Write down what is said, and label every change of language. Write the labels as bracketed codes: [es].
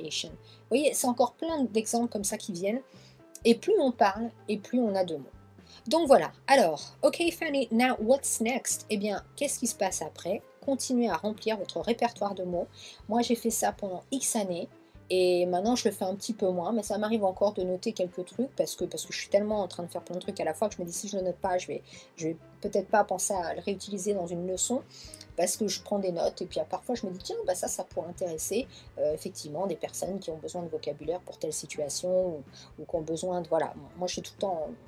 [fr] Vous voyez, c'est encore plein d'exemples comme ça qui viennent. Et plus on parle, et plus on a de mots. Donc voilà. [en] Alors, ok Fanny, now what's next? [fr] Eh bien, qu'est-ce qui se passe après? Continuez à remplir votre répertoire de mots. Moi, j'ai fait ça pendant X années et maintenant, je le fais un petit peu moins, mais ça m'arrive encore de noter quelques trucs parce que je suis tellement en train de faire plein de trucs à la fois que je me dis, si je ne le note pas, je vais peut-être pas penser à le réutiliser dans une leçon parce que je prends des notes et puis parfois, je me dis, tiens, ça pourrait intéresser effectivement des personnes qui ont besoin de vocabulaire pour telle situation ou qui ont besoin de... Voilà, moi, je suis tout le temps...